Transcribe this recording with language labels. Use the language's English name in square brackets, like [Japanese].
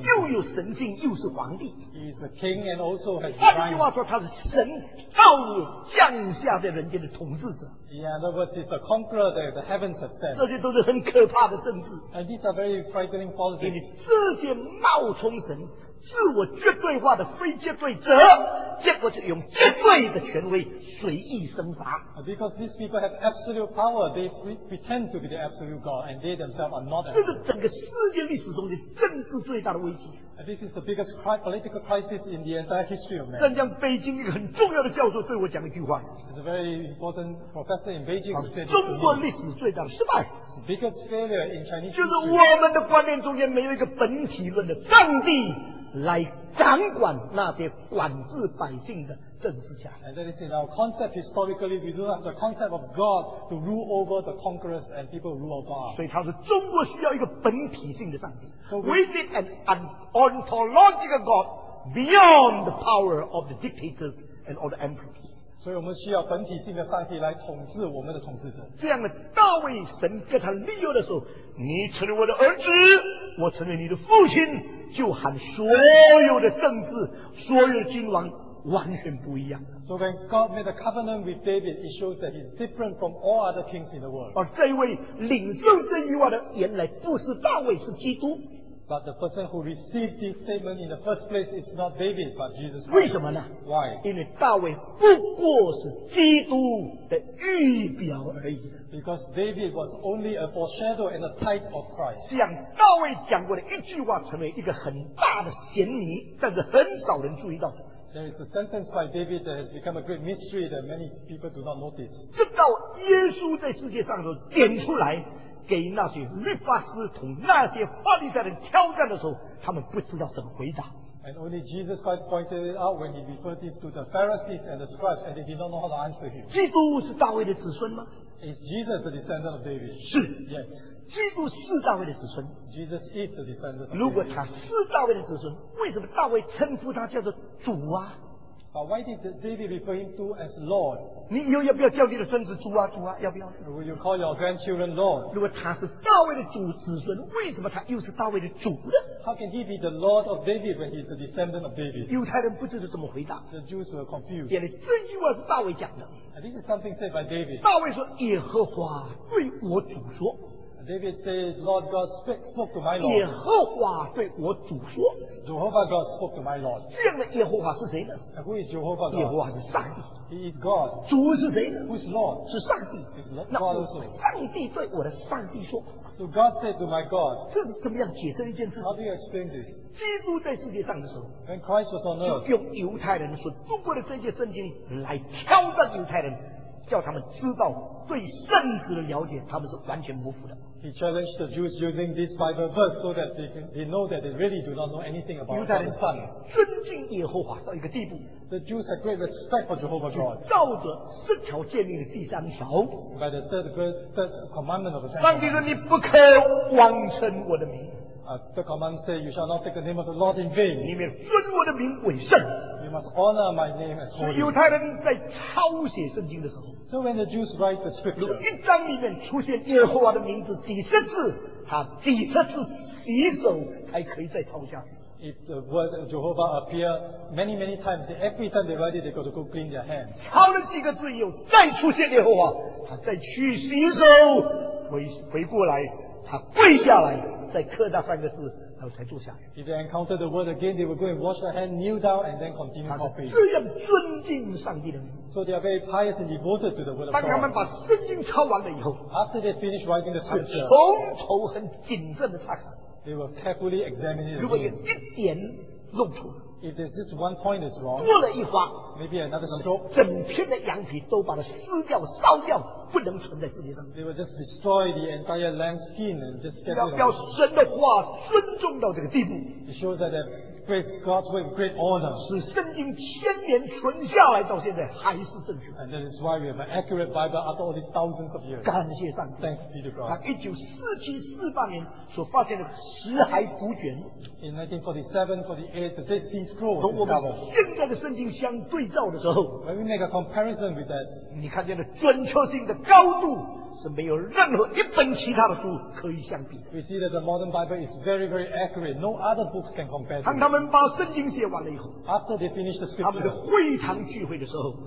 [Chinese] 又有神性，又是皇帝。 [English] He is a king and also has divine. [Chinese] 换句话说，他是神道降下在人间的统治者。 [English] Yeah, in other words, he's a conqueror that the heavens have sent. [Chinese] 这些都是很可怕的政治。 [English] And these are very frightening politics. [Chinese] 因为这些冒充神、自我绝对化的非绝对者。结果就用绝对的权威随意生发。 [English] Because these people have absolute power, they pretend to be the absolute god, and they themselves are not. [Chinese] 这是整个世界历史中的政治最大的危机。 [English] This is the biggest political crisis in the entire history of man. [Chinese] 正像北京一个很重要的教授对我讲一句话。 [English] It's a very important professor in Beijing who said. [Chinese] 中国历史最大的失败。 [English] It's the biggest failure in Chinese history. [Chinese] 就是我们的观念中间没有一个本体论的上帝。来掌管那些管制百姓的政治家。 [English] And that is in our concept historically, we do have the concept of God to rule over the conquerors and people rule over us. [Chinese] 所以他说，中国需要一个本体性的上帝。 [English] So we need an ontological God beyond the power of the dictators and all the emperors. [Chinese] 所以我们需要本体性的上帝来统治我们的统治者。这样的大卫神跟他立约的时候，你成为我的儿子，我成为你的父亲。就喊所有的政治所有君王完全不一样。 [English] So when God made a covenant with David, it shows that he's different from all other kings in the world. [Chinese] 而这位领受这句话的原来不是大卫，是基督。 [English] But the person who received this statement in the first place is not David, but Jesus [Chinese] Christ. 为什么呢？ [English] Why? [Chinese] 因为大卫不过是基督的预表而已。 [English] Because David was only a foreshadow and a type of Christ. [Chinese] 像大卫讲过的一句话成为一个很大的嫌疑，但是很少人注意到。 [English] There is a sentence by David that has become a great mystery that many people do not notice. [Chinese] 直到耶稣在世界上的时候点出来，给那些律法师同那些法利赛人挑战的时候，他们不知道怎么回答。 [English] And only Jesus Christ pointed it out when he referred this to the Pharisees and the scribes, and they did not know how to answer him. [Chinese] 基督是大卫的子孙吗？ [English] Is Jesus the descendant of David? [Chinese] 是 [English] ，Yes. [Chinese] 基督是大卫的子孙。 [English] Jesus is the descendant of David. [Chinese] 如果他是大卫的子孙，为什么大卫称呼他叫做主啊 [English] ？But why did David refer him to as Lord? [Chinese] 你以后要不要叫你的孙子主啊，主啊？要不要 [English] ？Will you call your grandchildren Lord? [Chinese] 如果他是大卫的主子孙，为什么他又是大卫的主呢 [English] ？How can he be the Lord of David when he's the descendant of David? [Chinese] 犹太人不知道怎么回答。 [English] The Jews were confused. [Chinese] 原来这句话是大卫讲的。 [English] This is something said by David. [Chinese] 大卫说：“耶和华对我主说。” [English] David said, "Lord God spoke to my Lord." [Chinese] 耶和华对我主说。 [English] Jehovah God spoke to my Lord. [Chinese] 这样的耶和华是谁呢？ [English] Who is Jehovah God? [Chinese] 耶和华是上帝。 [English] He is God. [Chinese] 主是谁呢？ [English] Who is Lord? [Chinese] 是上帝。 [English] Is Lord God also? [Chinese] 上帝对我的上帝说。 [English] So God said to my God. [Chinese] 这是怎么样解释一件事？ [English] How do you explain this? [Chinese] 基督在世界上的时候， [English] When Christ was on earth, [Chinese] 就用犹太人所读过的这些圣经来挑战犹太人，叫他们知道对圣旨的了解，他们是完全不服的。 [English] He challenged the Jews using this Bible verse so that they know that they really do not know anything about the Son. [Chinese] 尊敬耶和华到一个地步。 [English] The Jews had great respect for Jehovah God. [Chinese] 照着十条诫命的第三条。 [English] By the third commandment of the Ten Commandments. [Chinese] 上帝说你不可妄称我的名。 [English] The commandment says you shall not take the name of the Lord in vain. [Chinese] 你们尊我的名为圣。 [English] You must honor my name as holy. [Chinese] 犹太人在抄写圣经的时候。 [English] So when the Jews write the scripture, [Chinese] 一章里面出现耶和华的名字几十次，他几十次洗手才可以再抄下。 [English] If the word Jehovah appear many many times, every time they write it, they got to go clean their hands. [Chinese] 抄了几个字以后，再出现耶和华，他再去洗手，回过来，他跪下来，再刻那三个字，然后才坐下。 [English] If they encounter the word again, they will go and wash their hand, kneel down, and then continue copying. [Chinese] 这样尊敬上帝的名。 [English] So they are very pious and devoted to the word of God. [Chinese] 当他们把圣经抄完了以后， [English] after they finish writing the scripture, [Chinese] 从头很谨慎的查看。 [English] They will carefully examine it. [Chinese] 如果有一点弄错了， [English] if there's just one point is wrong, [Chinese] 多了一划， [English] maybe another stroke, [Chinese] 整片的羊皮都把它撕掉烧掉，不能存在世界上。 [English] They will just destroy the entire lamb skin and just get it. [Chinese] 表示神的话尊重到这个地步。 [English] It shows that the praise God's way with great honor. [Chinese] 是圣经千年存下来到现在还是正确。 [English] And that is why we have an accurate Bible after all these thousands of years. [Chinese] 感谢上帝。 [English] Thanks be to God. [Chinese] 1947年所发现的死海古卷。 [English] In 1947-48, the Dead Sea Scrolls. [Chinese] 跟我们现在的圣经相对照的时候 [English] ，When we make a comparison with that, [Chinese] 你看见了准确性的高度。是没有任何一本其他的书可以相比。 [English] We see that the modern Bible is very, very accurate. No other books can compare. [Chinese] 当他们把圣经写完了以后 [English] ，After they finish the scripture， [Chinese] 他们的会堂聚会的时候